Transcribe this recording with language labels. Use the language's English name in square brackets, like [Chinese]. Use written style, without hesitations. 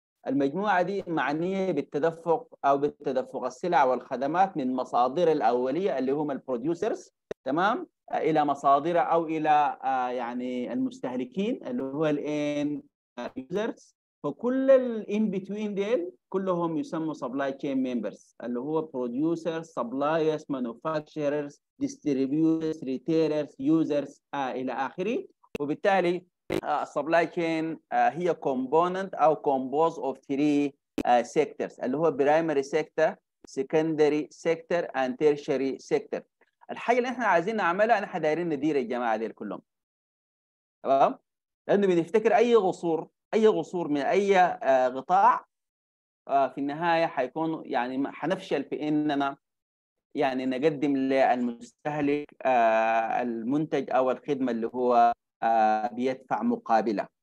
[Arabic] المجموعه دي معنيه بالتدفق او بالتدفق السلع والخدمات من مصادر الاوليه اللي هم البروديوسرز، تمام، الى مصادر او الى يعني المستهلكين اللي هو الان يوزرز. فكل الان بتوين ديل كلهم يسموا [English] supply chain members, [Arabic] اللي هو بروديوسرز، سبلايرز، مانوفاكتشررز، ديستريبيوترز، ريتيلرز، يوزرز الى اخره. [English] وبالتالي supply chain هي component أو compose of three sectors، اللي هو primary sector, secondary sector and tertiary sector. [Arabic] الحاجة اللي احنا عايزين نعملها، احنا دايرين ندير الجماعة دي كلهم، تمام، لأنه بنفتكر أي غصور من أي قطاع في النهاية حيكون يعني حنفشل في إننا يعني نقدم للمستهلك المنتج أو الخدمة اللي هو بيدفع مقابلة.